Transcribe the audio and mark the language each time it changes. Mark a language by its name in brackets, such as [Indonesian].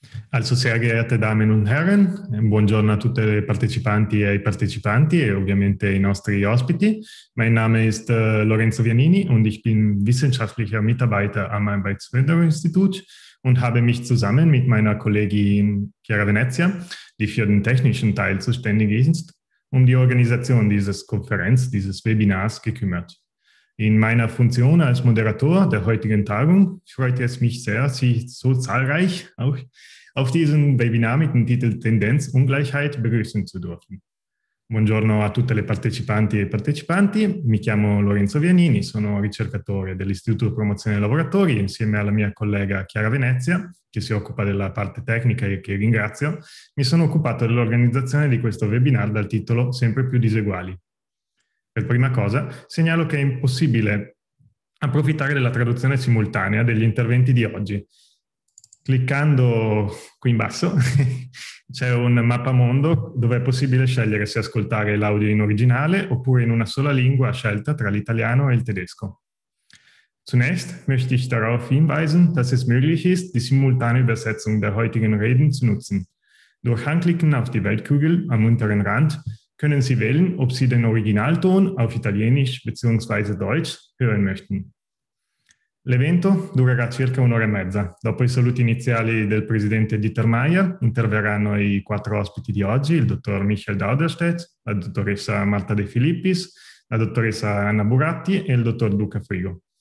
[German] Also sehr geehrte Damen und Herren, [Italian] buongiorno a tutte le partecipanti e i partecipanti e ovviamente ai nostri ospiti. [German] Mein Name ist Lorenzo Vianini und ich bin wissenschaftlicher Mitarbeiter am Arbeitsförderinstitut und habe mich zusammen mit meiner Kollegin Chiara Venezia, die für den technischen Teil zuständig ist, um die Organisation dieses Konferenz, dieses Webinars gekümmert. In meiner Funktion als Moderator der heutigen Tagung freut es mich sehr, Sie so zahlreich auch auf diesem Webinar mit dem Titel Tendenz Ungleichheit begrüßen zu dürfen. [Italian] Buongiorno a tutte le partecipanti e partecipanti. Mi chiamo Lorenzo Vianini, sono ricercatore dell'Istituto Promozione dei Lavoratori. Insieme alla mia collega Chiara Venezia, che si occupa della parte tecnica e che ringrazio, mi sono occupato dell'organizzazione di questo webinar dal titolo Sempre più diseguali. Per prima cosa, segnalo che è impossibile approfittare della traduzione simultanea degli interventi di oggi. Cliccando qui in basso c'è un mappamondo dove è possibile scegliere se ascoltare l'audio in originale oppure in una sola lingua scelta tra l'italiano e il tedesco. [German] Zunächst möchte ich darauf hinweisen, dass es möglich ist, die simultane Übersetzung der heutigen Reden zu nutzen. Durch Anklicken auf die Weltkugel am unteren Rand können Sie wählen, ob Sie den Originalton auf Italienisch bzw. Deutsch hören möchten. [Italian] L'evento durerà circa un'ora e mezza. Dopo i saluti iniziali del presidente Dieter Meier, interverranno i quattro ospiti di oggi, il dottor Michel Dauderstedt, la dottoressa Marta De Filippis, la dottoressa Anna Buratti e il dottor Luca Frigo.